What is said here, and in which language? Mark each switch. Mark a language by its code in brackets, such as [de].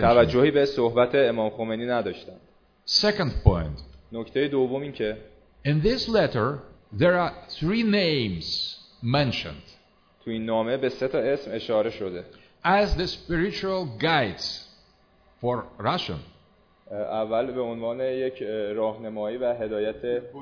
[fa] توجهی به صحبت امام خمینی نداشتن. [en] Second point. [fa] نکته دوم این که [en] in this letter there are three names mentioned. [fa] تو این نامه به سه تا اسم اشاره شده. [en] As the spiritual guides for Russian. [fa] اول به عنوان یک راهنمایی و هدایت